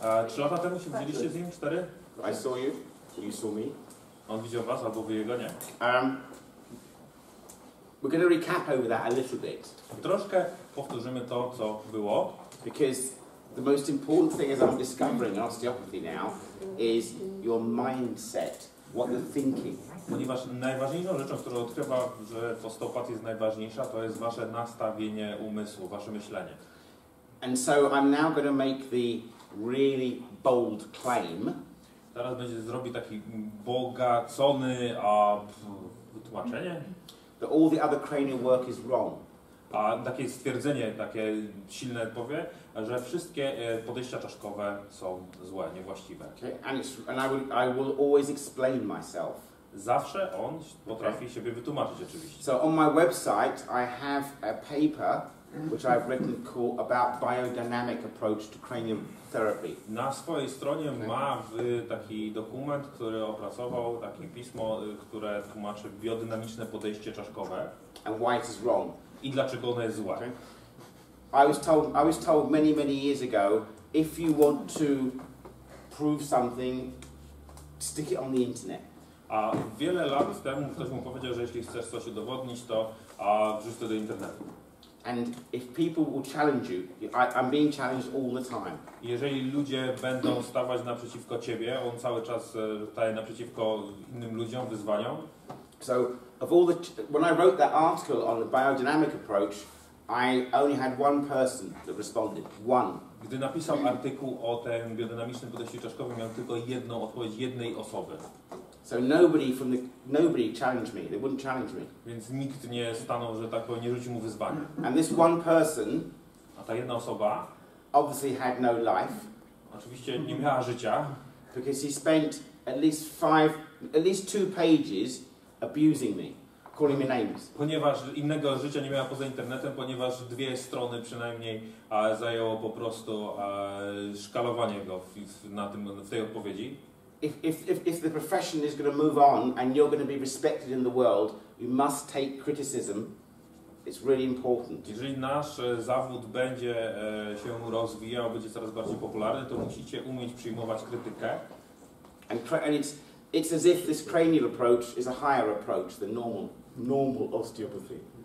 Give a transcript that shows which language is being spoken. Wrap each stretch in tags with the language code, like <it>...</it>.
<pl>Trzy lata temu się widzieliście z nim? Cztery?</pl> <en>I saw you. You saw me.</en> <pl>On widział was, albo wy jego nie.</pl> <en>We're going to recap over that a little bit.</en> <pl>Troszkę powtórzymy to, co było.</pl> <en>Because the most important thing, as I'm discovering in osteopathy now, is your mindset, what you're thinking.</en> <pl>Ponieważ najważniejszą rzeczą, którą odkrywa, że w osteopatii jest najważniejsza, to jest wasze nastawienie umysłu, wasze myślenie.</pl> <en>And so I'm now going to make the really bold claim.</en> <pl>Teraz będzie zrobić taki bogacony tłumaczenie.</pl> <en>That all the other cranial work is wrong.</en> <pl>A takie stwierdzenie, takie silne powie, że wszystkie podejścia czaszkowe są złe, niewłaściwe.</pl> <en>And I will always explain myself.</en> <pl>Zawsze on potrafi siebie wytłumaczyć oczywiście.</pl> <en>So on my website I have a paper which I've written called about biodynamic approach to cranial therapy.</en> <pl>Na swojej stronie ma taki dokument, który opracował, takie pismo, które tłumaczy biodynamiczne podejście czaszkowe.</pl> <en>And why it is wrong.</en> <pl>I dlaczego ono jest złe.</pl> <en>I was told many, many years ago, if you want to prove something, stick it on the internet.</en> <pl>A wiele lat temu ktoś mu powiedział, że jeśli chcesz coś udowodnić, to wrzuć to do internetu.</pl> <en>And if people will challenge you, I'm being challenged all the time.</en> <pl>Jeżeli ludzie będą stawać naprzeciwko ciebie, on cały czas staje naprzeciwko innym ludziom, wyzwaniom.</pl> <en>So, of all the, when I wrote that article on the biodynamic approach, I only had one person that responded. One.</en> <pl>Gdy napisał artykuł o tym biodynamicznym podejściu czaszkowym, miał tylko jedną odpowiedź jednej osoby.</pl> <en>So nobody challenged me. They wouldn't challenge me.</en> <pl>Więc nikt nie stanął, że tak powiem, nie rzucił mu wyzwania.</pl> <en>And this one person,</en> <pl>a ta jedna osoba,</pl> <en>obviously had no life.</en> <pl>Oczywiście nie miała życia.</pl> <en>Because he spent at least two pages abusing me, calling me names.</en> <pl>Ponieważ innego życia nie miała poza internetem, ponieważ dwie strony przynajmniej zajęło po prostu szkalowanie go w tej odpowiedzi.</pl> <en>If the profession is going to move on and you're going to be respected in the world, you must take criticism. It's really important.</en> <pl>Jeżeli nasz zawód będzie się rozwijał, będzie coraz bardziej popularny, to musicie umieć przyjmować krytykę.</pl> <en>It's as if this cranial approach is a higher approach than normal osteopathy.</en>